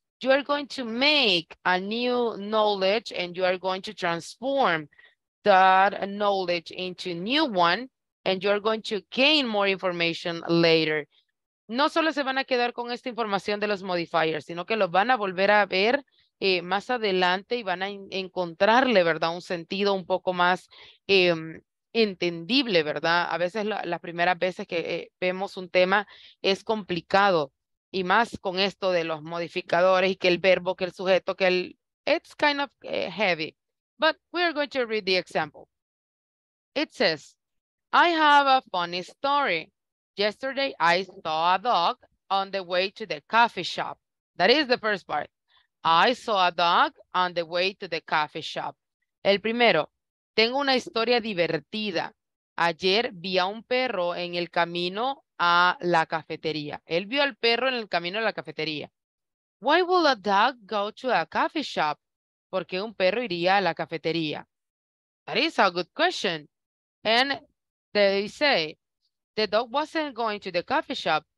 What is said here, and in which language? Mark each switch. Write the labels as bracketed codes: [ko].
[en] You are going to make a new knowledge and you are going to transform that knowledge into new one and you're going to gain more information later. [es] No solo se van a quedar con esta información de los modifiers, sino que los van a volver a ver más adelante y van a encontrarle, ¿verdad? Un sentido un poco más entendible, ¿verdad? A veces las primeras veces que vemos un tema es complicado y más con esto de los modificadores y que el verbo, que el sujeto, que el... [en] It's kind of heavy. But we are going to read the example. It says, I have a funny story. Yesterday, I saw a dog on the way to the coffee shop. That is the first part. I saw a dog on the way to the coffee shop. [es] El primero, tengo una historia divertida. Ayer vi a un perro en el camino a la cafetería. Él vio al perro en el camino a la cafetería. [en] Why would a dog go to a coffee shop? [es] ¿Por qué un perro iría a la cafetería? [en] That is a good question. And they say, the dog wasn't going to the coffee shop.